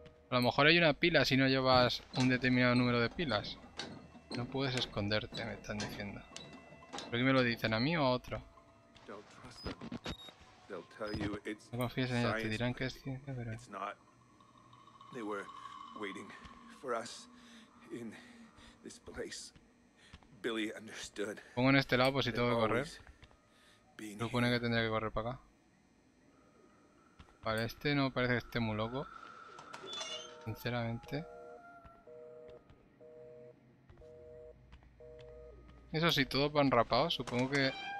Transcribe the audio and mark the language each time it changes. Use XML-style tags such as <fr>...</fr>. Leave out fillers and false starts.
<es>A lo mejor hay una pila si no llevas un determinado número de pilas. No puedes esconderte, me están diciendo. ¿Por qué me lo dicen a mí o a otro? No confíes en ellos, te dirán que es ciencia, pero...</es> <en>They were waiting for us in this place. Billy understood.</en> <es>Pongo en este lado por si tengo que correr. Supone que tendría que correr para acá. Vale, este no parece que esté muy loco. Sinceramente. Eso sí, todos van rapados. Supongo que...</es>